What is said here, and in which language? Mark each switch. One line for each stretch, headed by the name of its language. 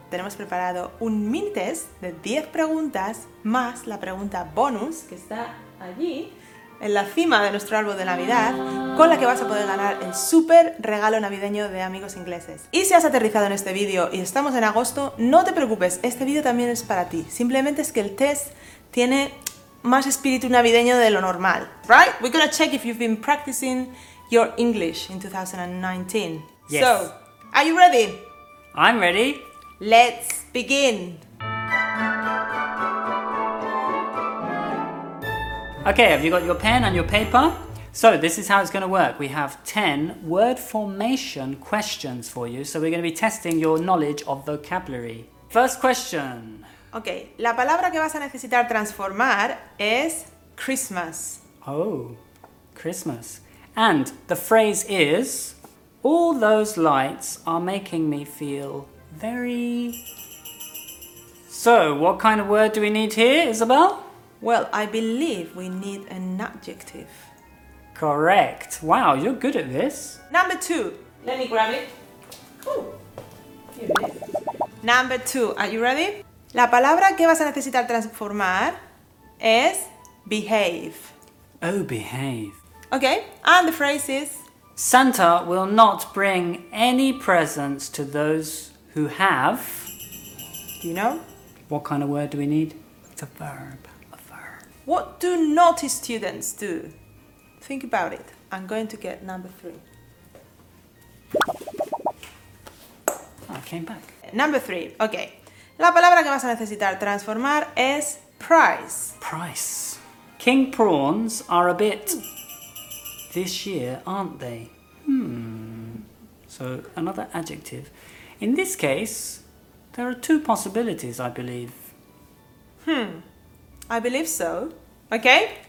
Spanish: Tenemos preparado un mini test de 10 preguntas más la pregunta bonus que está allí en la cima de nuestro árbol de Navidad, con la que vas a poder ganar el súper regalo navideño de Amigos Ingleses. Y si has aterrizado en este vídeo y estamos en agosto, no te preocupes, este vídeo también es para ti. Simplemente es que el test tiene más espíritu navideño de lo normal.
English: Right? We're gonna check if you've been practicing your English in 2019. Yes. So, are you ready? I'm ready. Let's begin. Okay, have you got your pen and your paper? So this is how it's going to work. We have 10 word formation questions for you. So we're going to be testing your knowledge of vocabulary. First question.
Spanish: Okay, la palabra que vas a necesitar transformar es Christmas.
English: Oh, Christmas. And the phrase is, all those lights are making me feel very... So what kind of word do we need here, Isabel? Well, I believe we need an adjective. Correct. Wow, you're good at this. Number two. Let me grab it. Number two, are you ready?
Spanish: La palabra que vas a necesitar transformar es behave.
English: Oh, behave. Okay, and the phrase is... Santa will not bring any presents to those who have... Do you know? What kind of word do we need? It's a verb. What do naughty students do? Think about it. I'm going to get number three. Oh, I came back. Number three, okay.
Spanish: La palabra que vas a necesitar transformar es price.
English: Price. King prawns are a bit this year, aren't they? So another adjective. In this case, there are two possibilities, I believe. I believe so. Okay?